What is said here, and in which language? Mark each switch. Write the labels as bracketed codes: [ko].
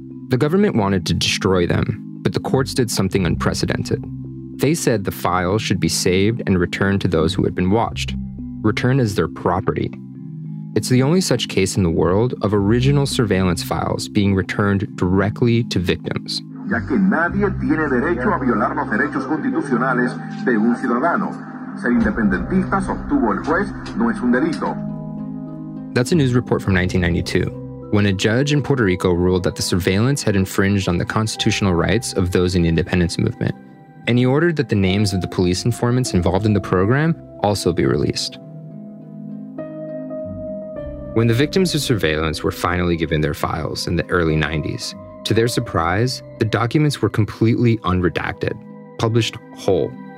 [en] The government wanted to destroy them, but the courts did something unprecedented. They said the files should be saved and returned to those who had been watched. Return as their property. It's the only such case in the world of original surveillance files being returned directly to victims. [es] Ya que nadie tiene derecho a violar los derechos constitucionales de un ciudadano. Ser independentista, sostuvo el juez, no es un delito. [en] That's a news report from 1992, when a judge in Puerto Rico ruled that the surveillance had infringed on the constitutional rights of those in the independence movement. And he ordered that the names of the police informants involved in the program also be released. When the victims of surveillance were finally given their files in the early 90s, to their surprise, the documents were completely unredacted, published whole.